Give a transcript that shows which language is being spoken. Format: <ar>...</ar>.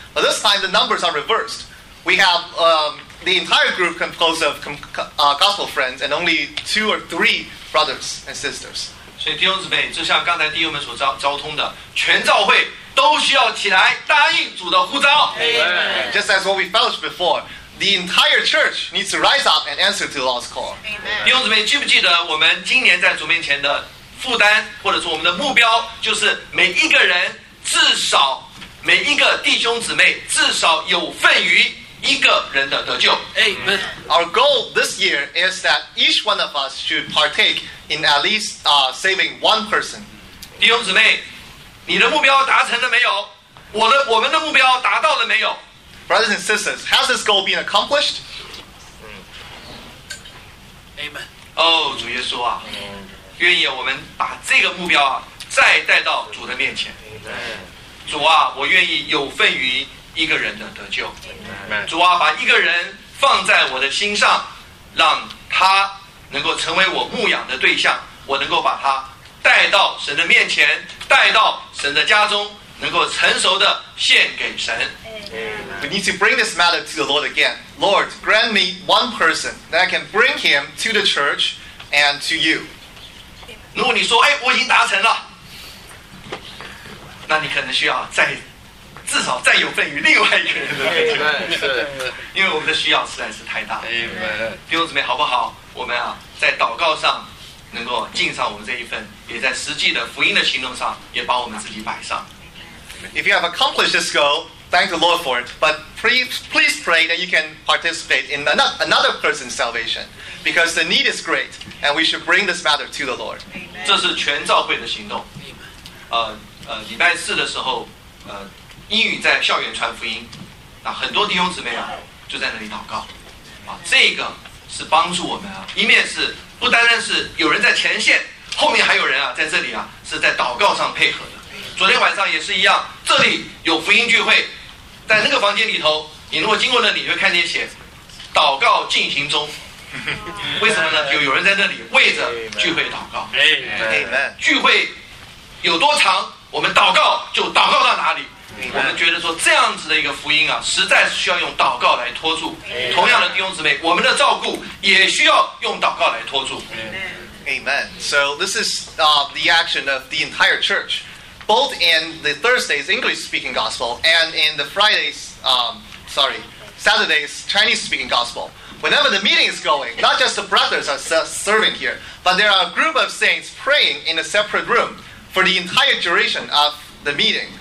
<en>But this time, the numbers are reversed. We have the entire group composed of gospel friends and only 2 or 3 brothers and sisters.</en> <zh>所以弟兄姊妹，就像刚才弟兄们所交通的，全召会都需要起来答应主的呼召。</zh> <en>Amen. Just as what we fellowship before, the entire church needs to rise up and answer to the Lord's call. Amen.</en> <zh>弟兄姊妹，记不记得我们今年在主面前的负担，或者说我们的目标，就是每一个人至少每一个弟兄姊妹至少有份于一个人的得救。</zh> <en>Amen. Our goal this year is that each one of us should partake in at least saving one person.</en> <zh>弟兄姊妹，你的目标达成了没有？我们的目标达到了没有？</zh> <en>Brothers and sisters, has this goal been accomplished? Amen.</en> <zh>主耶稣啊，愿意我们把这个目标啊再带到主的面前。</zh> <en>Amen.</en> <zh>主啊，我愿意有份于一个人的得救。</zh> <en>Amen.</en> <zh>主啊，把一个人放在我的心上，让他能够成为我牧养的对象，我能够把他带到神的面前，带到神的家中，能够成熟的献给神。</zh> <en>We need to bring this matter to the Lord again. Lord, grant me one person that I can bring him to the church and to you.</en> <zh>如果你说，哎，我已经达成了，那你可能需要再至少再有份于另外一个人的面前，因为我们的需要实在是太大了。</zh> <en>Amen.</en> <zh>弟兄姊妹，好不好？我们啊，在祷告上能够尽上我们这一份，也在实际的福音的行动上也把我们自己摆上。</zh> <en>If you have accomplished this goal, thank the Lord for it, but please pray that you can participate in another person's salvation, because the need is great and we should bring this matter to the Lord.</en> <zh>这是全召会的行动。礼拜四的时候英语在校园传福音，那很多弟兄姊妹啊就在那里祷告啊，这个是帮助我们啊，一面是不单单是有人在前线，后面还有人啊在这里啊是在祷告上配合的。昨天晚上也是一样，这里有福音聚会，在那个房间里头，你如果经过那里，会看见写祷告进行中。为什么呢？有人在那里为着聚会祷告。</zh> <en>Amen.</en> <zh>聚会有多长，我们祷告就祷告到哪里。我们觉得说这样子的一个福音啊，实在是需要用祷告来托住。同样的弟兄姊妹，我们的照顾也需要用祷告来托住。</zh> <en>Amen. So this is the action of the entire church, both in the Thursday's English-speaking gospel and in the Friday's, Saturday's Chinese-speaking gospel. Whenever the meeting is going, not just the brothers are serving here, but there are a group of saints praying in a separate room for the entire duration of the meeting.</en>